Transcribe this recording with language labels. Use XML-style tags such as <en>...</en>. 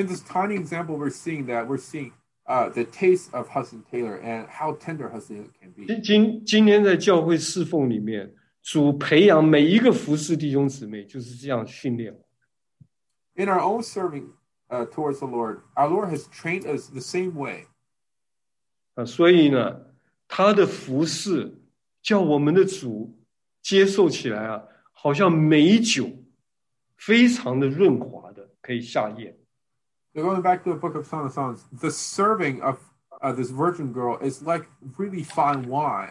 <en>In this tiny example, we're seeing the taste of Hudson Taylor and how tender Hudson Taylor can be.</en> <zh>今天在教会侍奉里面，主培养每一个服侍弟兄姊妹，就是这样训练。In</zh> <en>our own serving towards the Lord, our Lord has trained us the same way.</en> <zh>所以呢，他的服侍叫我们的主接受起来啊，好像美酒，非常的润滑的，可以下咽。</zh> <en>So going back to the Book of Song of Songs, the serving of this virgin girl is like really fine wine.</en>